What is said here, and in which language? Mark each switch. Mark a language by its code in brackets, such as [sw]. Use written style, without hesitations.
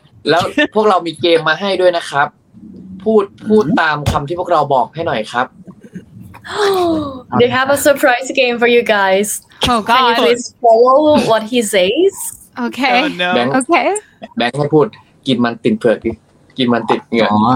[th] แล้วพวกเรามีเกมมาให้ด้วยนะครับพูดตามคำที่พวกเราบอกให้หน่อยครับ [en] They have a surprise game for you guys. Oh God! Can you please follow what he says? Okay. Oh, no. Okay. [th] Bang, ให้พูดกินมันติดเผือกดิกินมันติดเหงื่อ